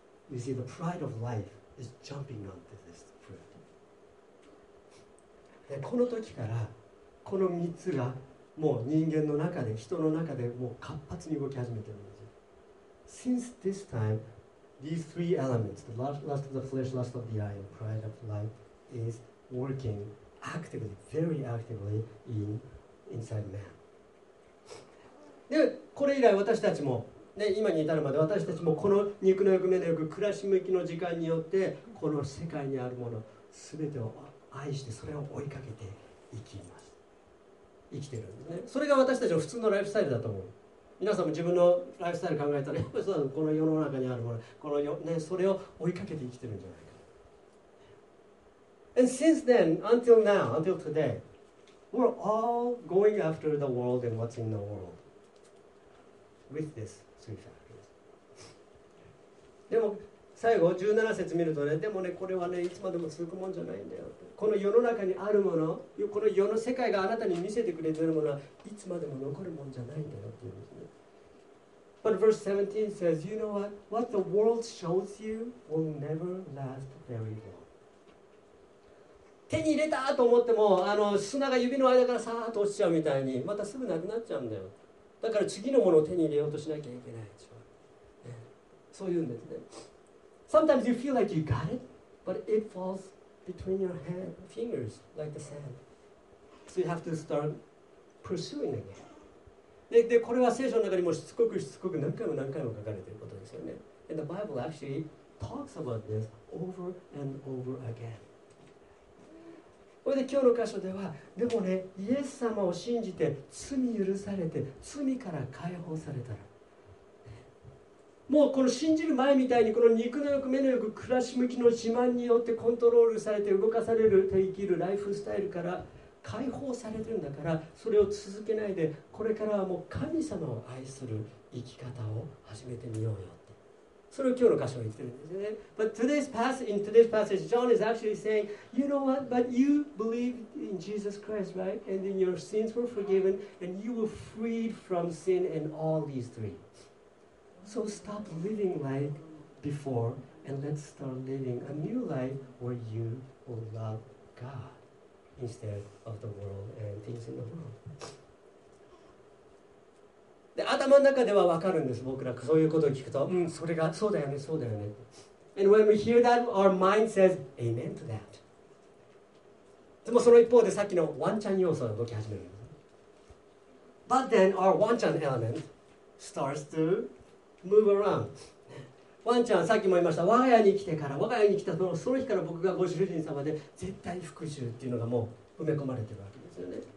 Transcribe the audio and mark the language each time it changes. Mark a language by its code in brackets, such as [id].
[en] You see, the pride of life is jumping onto this fruit. [ja] で、この時から、この三つがもう人間の中で、人の中でもう活発に動き始めてるんです。 [en] Since this time, these three elements, the lust of the flesh, lust of the eye, and pride of life, is workingActively, very actively in inside man. [ja] で、これ以来私たちも、ね、今に至るまで私たちもこの肉の欲、目の欲、暮らし向きの時間によってこの世界にあるもの全てを愛してそれを追いかけて生きます。生きてるんですね。それが私たちの普通のライフスタイルだと思う。皆さんも自分のライフスタイル考えたらやっぱりこの世の中にあるもの、このよ、ね、それを追いかけて生きてるんじゃないか。 [en] And since then, until now, until today, we're all going after the world and what's in the world with this three factors. [ja] でも最後17節見るとね、でもね、これはね、いつまでも続くもんじゃないんだよ。この世の中にあるもの、この世の世界があなたに見せてくれてるものは、いつまでも残るもんじゃないんだよっていうんですね。 [en] But verse 17 says, you know what? What the world shows you will never last very long. [ja] 手に入れたと思っても、あの砂が指の間からさーっと落ちちゃうみたいに、またすぐなくなっちゃうんだよ。だから次のものを手に入れようとしなきゃいけない。ね、そういうんですね。 [en] Sometimes you feel like you got it, but it falls between your hand, fingers, like the sand. So you have to start pursuing again. [ja] で、これは聖書の中にもしつこくしつこく何回も何回も書かれていることですよね。 [en] And the Bible actually talks about this over and over again. [ja] それで今日の箇所では、でもね、イエス様を信じて、罪許されて、罪から解放されたら、もうこの信じる前みたいに、この肉の欲、目の欲、暮らし向きの自慢によってコントロールされて、動かされる、生きるライフスタイルから解放されてるんだから、それを続けないで、これからはもう神様を愛する生き方を始めてみようよって。それを今日の箇所は言ってるんですね。 [en] But today's passage, in today's passage, John is actually saying, you know what, but you believed in Jesus Christ, right? And then your sins were forgiven, and you were freed from sin and all these three. So stop living like before, and let's start living a new life where you will love God instead of the world and things in the world. [ja] で、頭の中ではわかるんです、僕ら。そういうことを聞くと、うん、それが、そうだよね、そうだよね。 [en] And when we hear that, our mind says, Amen to that. [ja] でもその一方でさっきのワンチャン要素が動き始める。 [en] But then our ワンチャン element starts to move around. [ja] ワンチャン、さっきも言いました、我が家に来てから、我が家に来たのその日から僕がご主人様で絶対復讐っていうのがもう埋め込まれてるわけですよね。